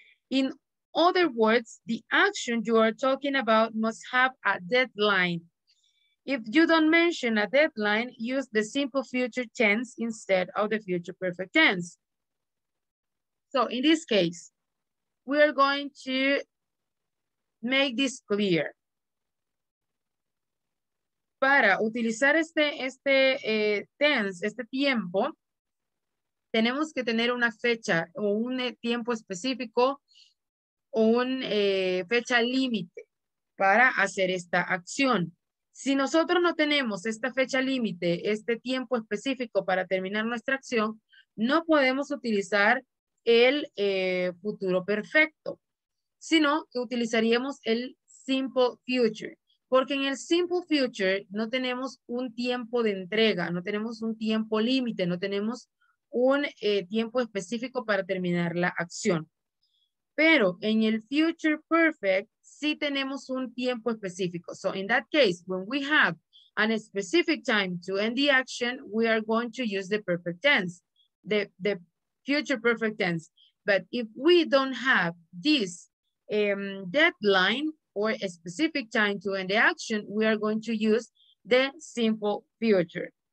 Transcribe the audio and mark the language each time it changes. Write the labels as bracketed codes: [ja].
[en] In other words, the action you are talking about must have a deadline. If you don't mention a deadline, use the simple future tense instead of the future perfect tense. So in this case, we are going to make this clear. [es] Para utilizar este tiempo, tenemos que tener una fecha o un tiempo específico o una fecha límite para hacer esta acción. Si nosotros no tenemos esta fecha límite, este tiempo específico para terminar nuestra acción, no podemos utilizar el futuro perfecto, sino que utilizaríamos el simple future. Porque en el simple future no tenemos un tiempo de entrega, no tenemos un tiempo límite, no tenemos un tiempo específico para terminar la acción. Pero en el future perfect sí tenemos un tiempo específico. [en] So in that case, when we have a specific time to end the action, we are going to use the perfect tense, the future perfect tense. But if we don't have this deadline or a specific time to end the action, we are going to use the simple future.